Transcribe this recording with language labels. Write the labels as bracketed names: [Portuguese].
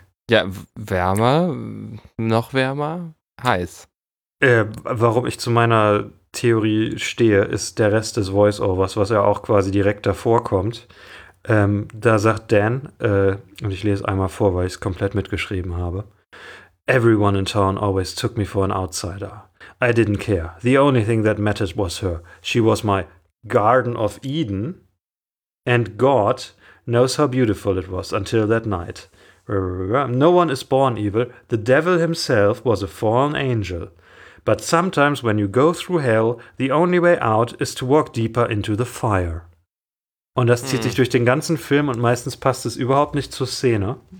[German] Ja, wärmer, noch wärmer, heiß. Warum ich zu meiner Theorie stehe, ist der Rest des Voice-Overs, was ja auch quasi direkt davor kommt. Da sagt Dan, und ich lese einmal vor, weil ich es komplett mitgeschrieben habe. [English] Everyone in town always took me for an outsider. I didn't care. The only thing that mattered was her. She was my Garden of Eden. And God knows how beautiful it was until that night. No one is born evil. The devil himself was a fallen angel. But sometimes when you go through hell, the only way out is to walk deeper into the fire. [German] Und das zieht sich durch den ganzen Film und meistens passt es überhaupt nicht zur Szene.